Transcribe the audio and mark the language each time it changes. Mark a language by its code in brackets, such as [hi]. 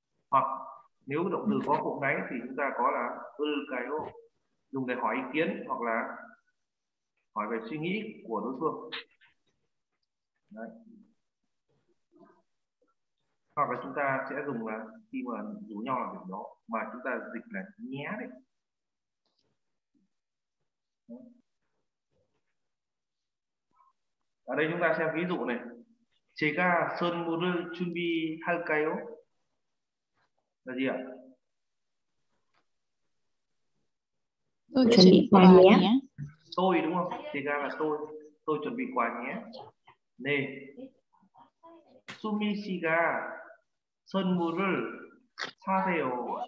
[vi] Hoặc nếu động từ có phụ âm đấy thì chúng ta có là ư cái ô, dùng để hỏi ý kiến hoặc là hỏi về suy nghĩ của đối phương. Đấy. Hoặc là chúng ta sẽ dùng là khi mà rủ nhau làm việc đó mà chúng ta dịch là nhé đấy. Đấy. Ở đây chúng ta xem ví dụ này. [ko] 제가 선물을 준비할까요? [vi] Là gì ạ? Tôi chuẩn bị quà nhé. Tôi đúng không? [ko] 제가 [vi] là tôi chuẩn bị quà nhé. [ko] 네, 수미 씨가 선물을 사세요.